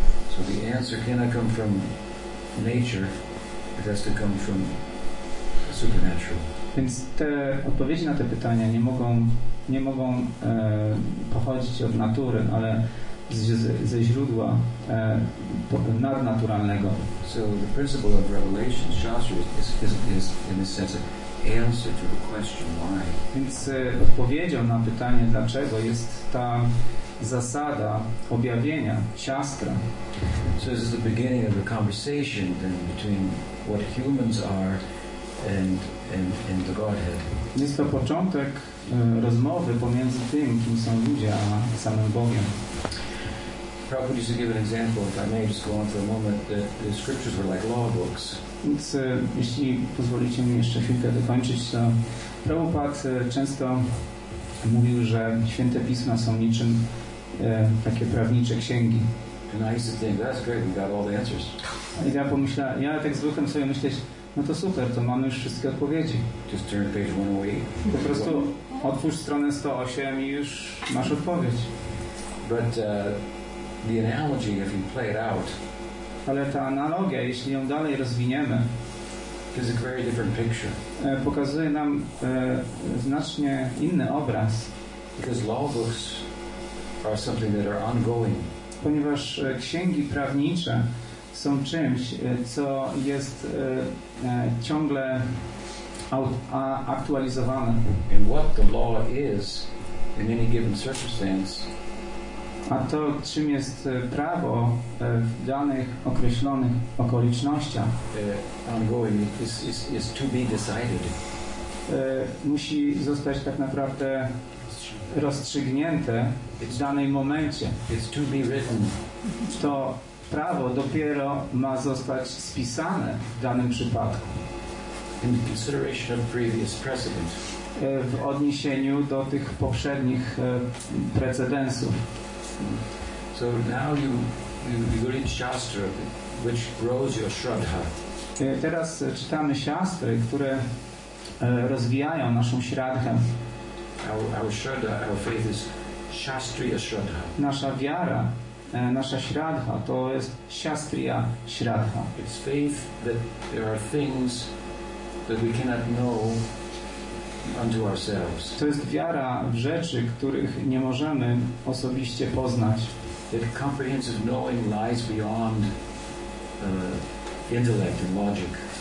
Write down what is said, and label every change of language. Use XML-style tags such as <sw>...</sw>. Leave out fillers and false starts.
<en>So the answer cannot come from nature, it has to come from the supernatural.</en> <pl>Więc te odpowiedzi na te pytania nie mogą pochodzić od natury, ale ze źródła nadnaturalnego.</pl> <en>So the principle of revelation, Shastra, is in a sense of answer to the question why.</en> <pl>Więc odpowiedzią na pytanie dlaczego jest ta zasada objawienia, Shastra.</pl> <en>So this is the beginning of the conversation then between what humans are and the Godhead.</en> <pl>Jest to początek rozmowy pomiędzy tym, kim są ludzie, a samym Bogiem.</pl> <en>Prabhupada used to give an example, if I may just go on for a moment, that the scriptures were like law books.</en> <pl>Więc jeśli pozwolicie mi jeszcze chwilkę dokończyć, to Prabhupada często mówił, że święte pisma są niczym takie prawnicze księgi.</pl> <en>And I used to think, that's great, we've got all the answers.</en> <pl>I ja pomyślałem, ja tak zwykłem sobie myśleć, no to super, to mamy już wszystkie odpowiedzi.</pl> <en>Just turn page 108.</en> <pl>Po prostu otwórz stronę 108 i już masz odpowiedź.</pl> <en>But the analogy, if you play it out.</en> <pl>Ale ta analogia, jeśli ją dalej rozwiniemy,</pl> <en>gives a very different picture.</en> <pl>Pokazuje nam znacznie inny obraz.</pl> <en>Because law books are something that are ongoing.</en> <pl>Ponieważ księgi prawnicze są czymś, co jest ciągle aktualizowane.</pl> <en>And what the law is in any given circumstance.</en> <pl>A to, czym jest prawo w danych określonych okolicznościach,</pl> <en>ongoing, is to be decided.</en> <pl>Musi zostać tak naprawdę rozstrzygnięte w danej momencie.</pl> <en>It's to be written.</en> <pl>To prawo dopiero ma zostać spisane w danym przypadku.</pl> <en>In consideration of previous precedent.</en> <pl>W odniesieniu do tych poprzednich precedensów.</pl> <en>So now you go read Shastra, which grows your Shraddha.</en> <pl>Teraz czytamy Shastry, które rozwijają naszą Shraddhę.</pl> <en>Our Shraddha, our faith is Shastriya Shraddha.</en> <pl>Nasza wiara, nasza śradha, to jest śastria śradha.</pl> <en>It's faith that there are things that we cannot know unto ourselves.</en> <pl>To jest wiara w rzeczy, których nie możemy osobiście poznać.</pl> <en>That comprehensive knowing lies beyond intellect and logic.</en>